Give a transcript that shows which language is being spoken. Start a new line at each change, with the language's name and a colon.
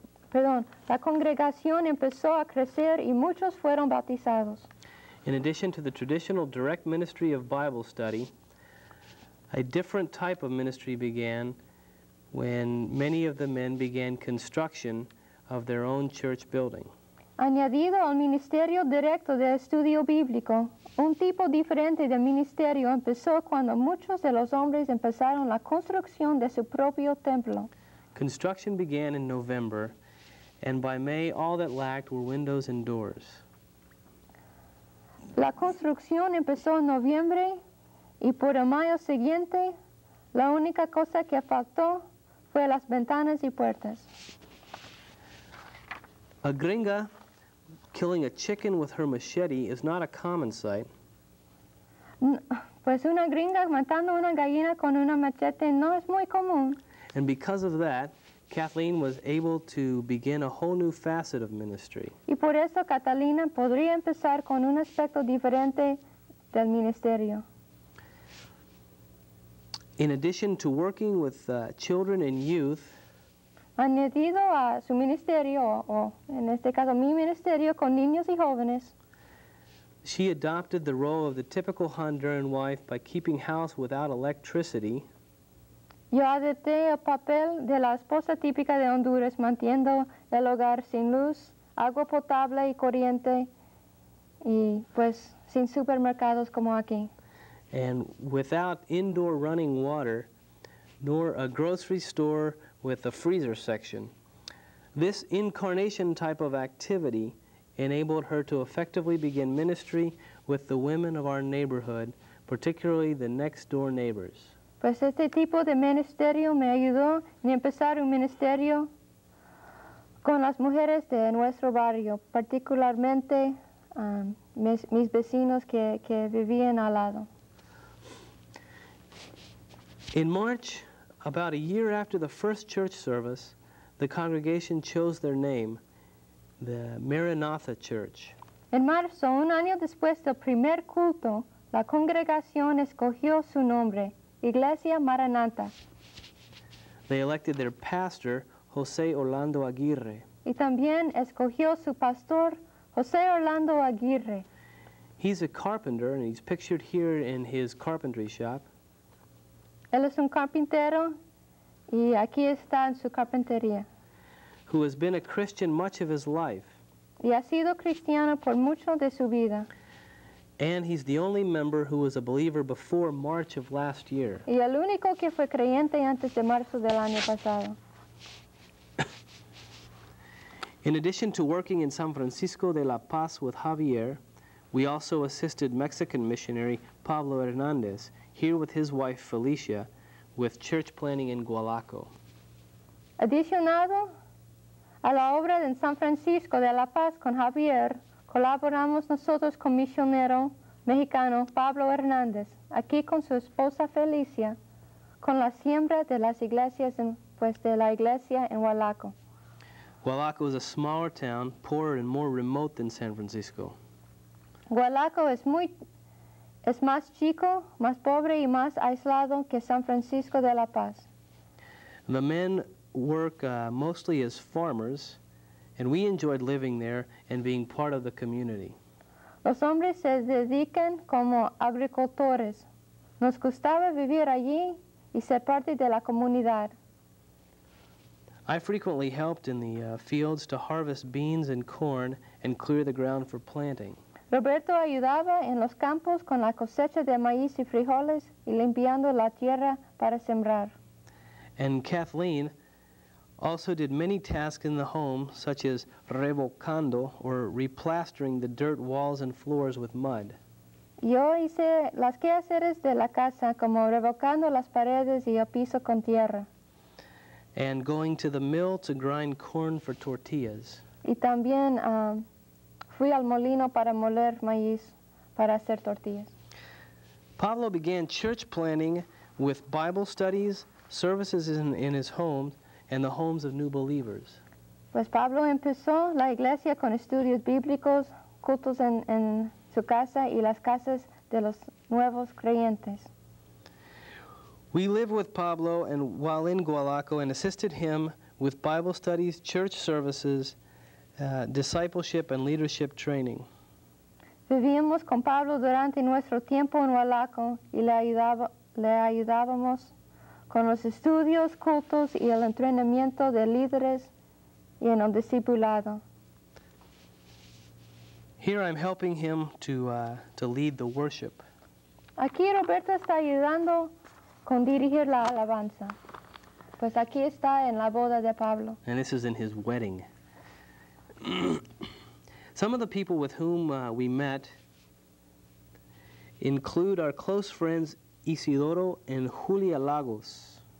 Spanish: perdón, la congregación empezó a crecer y muchos fueron bautizados.
English: In addition to the traditional direct ministry of Bible study, a different type of ministry began when many of the men began construction of their own church building.
Spanish: Añadido al ministerio directo de estudio bíblico, un tipo diferente de ministerio empezó cuando muchos de los hombres empezaron la construcción de su propio templo.
English: Construction began in November, and by May, all that lacked were windows and doors.
Spanish: La construcción empezó en noviembre, y por el mayo siguiente, la única cosa que faltó fue las ventanas y puertas.
English: A gringa killing a chicken with her machete is not a common sight.
Spanish: Pues una gringa matando una gallina con una machete no es muy común.
English: And because of that, Kathleen was able to begin a whole new facet of ministry.
Spanish: Y por eso Catalina podría empezar con un aspecto diferente del ministerio.
English: In addition to working with children and youth,
Spanish: añadido a su ministerio, o en este caso mi ministerio, con niños y jóvenes,
English: she adopted the role of the typical Honduran wife by keeping house without electricity.
Spanish: Yo adopté el papel de la esposa típica de Honduras, manteniendo el hogar sin luz, agua potable y corriente, y pues sin supermercados como aquí.
English: And without indoor running water, nor a grocery store with a freezer section. This incarnation type of activity enabled her to effectively begin ministry with the women of our neighborhood, particularly the next door neighbors.
Spanish: Pues este tipo de ministerio me ayudó en empezar un ministerio con las mujeres de nuestro barrio, particularmente mis vecinos que vivían al lado.
English: In March, about a year after the first church service, the congregation chose their name, the Maranatha Church.
Spanish: En marzo, un año después del primer culto, la congregación escogió su nombre, Iglesia Maranatha.
English: They elected their pastor, José Orlando Aguirre.
Spanish: Y también escogió su pastor, José Orlando Aguirre.
English: He's a carpenter, and he's pictured here in his carpentry shop.
Spanish: Él es un carpintero, y aquí está en su carpintería.
English: Who has been a Christian much of his life.
Spanish: Y ha sido cristiano por mucho de su vida.
English: And he's the only member who was a believer before March of last year.
Spanish: Y el único que fue creyente antes de marzo del año pasado.
English: In addition to working in San Francisco de la Paz with Javier, we also assisted Mexican missionary Pablo Hernandez here with his wife Felicia with church planning in Gualaco.
Spanish: Adicionado a la obra en San Francisco de la Paz con Javier, colaboramos nosotros con misionero mexicano Pablo Hernández, aquí con su esposa Felicia, con la siembra de las iglesias, de la iglesia en Gualaco.
English: Gualaco is a smaller town, poorer and more remote than San Francisco.
Spanish: Gualaco es más chico, más pobre y más aislado que San Francisco de la Paz.
English: The men work mostly as farmers, and we enjoyed living there and being part of the community.
Spanish: Los hombres se dedican como agricultores. Nos gustaba vivir allí y ser parte de la comunidad.
English: I frequently helped in the fields to harvest beans and corn and clear the ground for planting.
Spanish: Roberto ayudaba en los campos con la cosecha de maíz y frijoles y limpiando la tierra para sembrar.
English: And Kathleen also did many tasks in the home, such as revocando or replastering the dirt walls and floors with mud.
Spanish: Yo hice las quehaceres de la casa, como revocando las paredes y el piso con tierra.
English: And going to the mill to grind corn for tortillas.
Spanish: Y también fui al molino para moler maíz, para hacer tortillas.
English: Pablo began church planning with Bible studies, services in his home, and the homes of new believers.
Spanish: Pues Pablo empezó la iglesia con estudios bíblicos, cultos en su casa y las casas de los nuevos creyentes.
English: We live with Pablo and while in Gualaco and assisted him with Bible studies, church services, discipleship, and leadership training.
Spanish: Vivíamos con Pablo durante nuestro tiempo en Hualaco y le ayudábamos con los estudios, cultos, y el entrenamiento de líderes y en el discipulado.
English: Here I'm helping him to lead the worship.
Spanish: Aquí Roberto está ayudando con dirigir la alabanza. Pues aquí está en la boda de Pablo.
English: And this is in his wedding. Some of the people with whom we met include our close friends Isidoro and Julia Lagos.